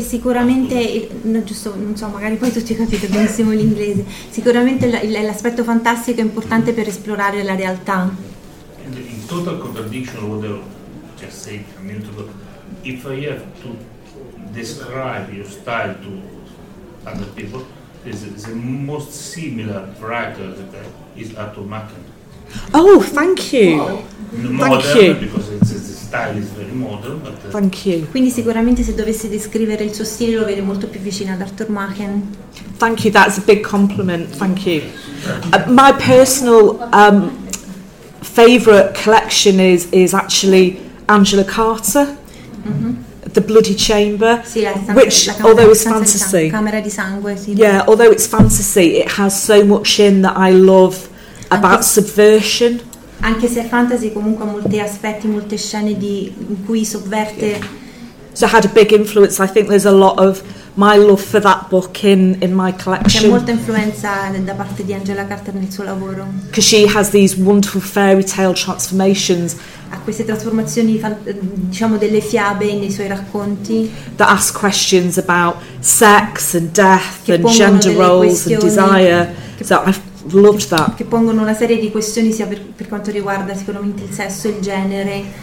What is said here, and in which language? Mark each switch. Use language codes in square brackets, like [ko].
[it] sicuramente non so, magari poi tutti capite benissimo l'inglese. Sicuramente l'aspetto fantastico è importante per esplorare la realtà. [en] In total contradiction of what I just said a minute ago, if I have to describe your style to other people, is the most similar writer that is Arthur Macken. Oh, thank you. Well, thank modern you. Because the style is very modern. But thank you. [it] Quindi sicuramente se dovessi descrivere il suo stile lo vedo molto più vicino ad Arthur Macken. [en] Thank you. That's a big compliment. Thank you. My personal favorite collection is actually Angela Carter. Mm-hmm. The Bloody Chamber, which, although it's fantasy, [it] Camera di Sangue, sì. [en] Yeah, although it's fantasy, it has so much in that I love about subversion. [it] Anche se è fantasy, comunque molti aspetti, molte scene di in cui sovverte. [en] Yeah. So had a big influence. I think there's a lot of my love for that book in my collection. [it] C'è molta influenza da parte di Angela Carter nel suo lavoro. [en] Because she has these wonderful fairy tale transformations. [it] Ha queste trasformazioni, diciamo, delle fiabe nei suoi racconti. [en] That ask questions about sex and death and gender roles and desire. So I've loved that. [it] Che pongono una serie di questioni sia per quanto riguarda sicuramente il sesso e il genere.